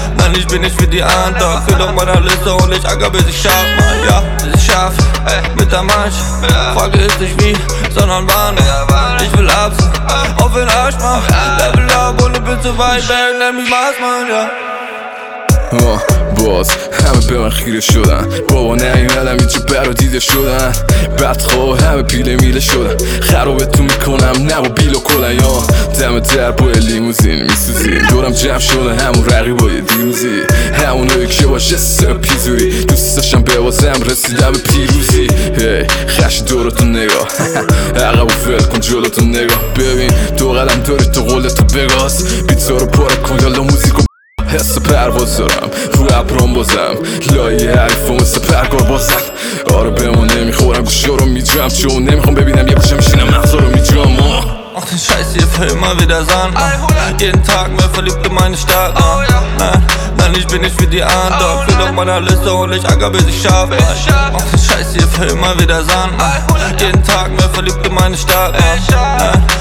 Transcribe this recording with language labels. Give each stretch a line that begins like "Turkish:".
German: Nein, ich bin nicht wie die anderen. Fühl auf meiner Liste und ich acker bis ich scharf, man. Ja, bis ich scharf, mit der Mann. Frage ist nicht wie, sondern wann. Ich will ab, auf den Arsch, man. Level up und ein bisschen weit weg, nenn mich Mars, man, ja.
Persian: Oh, boss, همه به من خیره شدن. بابا نیومدم اینجا برای دیده شدن. بدخوا همه پیله میله شدن. خرابتون میکنم نه با بیل و کلن. یا دم در بای لیموزین میسوزین. دورم جمع شدن همون رقیبای دیروزی. همون هایی که باشه سر پیزوری. دوست داشتم به بازم رسیدم به پیروزی. هی خش دورتون نگاه. عقب و فل کن جلوتون نگاه. ببین دو قدم داری تو قولتو بگاز. بیتا رو پاره کن یالا موزیکو. حس پرواز دارم رو اپرام بازم. لایی حریفو مثل پرگار بازم. آره به ما نمیخورم گوشه رو میجرم. چون نمیخوام ببینم یه باشم میشینم مغزا رو میجرم.
German: Mach den Scheiß hier für immer wieder Sandmann. Jeden Tag mehr verliebt in meine Stadt, man. Nein, ich bin nicht wie die anderen. Fühl auf meiner Liste und ich acker bis ich scharf, man. Mach den Scheiß hier für immer wieder Sandmann. Jeden Tag mehr verliebt in meine Stadt, man.